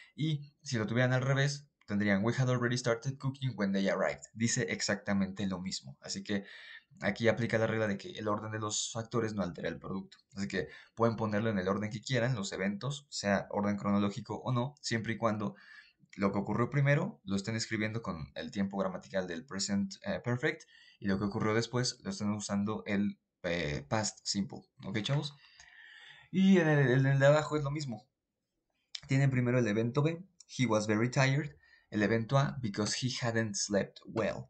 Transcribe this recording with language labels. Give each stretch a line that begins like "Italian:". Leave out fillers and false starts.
Spanish: Y si lo tuvieran al revés, tendrían,
English: we had already started cooking when they arrived.
Spanish: Dice exactamente lo mismo. Así que aquí aplica la regla de que el orden de los factores no altera el producto. Así que pueden ponerlo en el orden que quieran, los eventos, sea orden cronológico o no, siempre y cuando lo que ocurrió primero lo estén escribiendo con el tiempo gramatical del present perfect y lo que ocurrió después lo estén usando el past simple. ¿Ok, chavos? Y en el de abajo es lo mismo. Tienen primero el evento B,
English: he was very tired.
Spanish: El evento A,
English: because he hadn't slept well.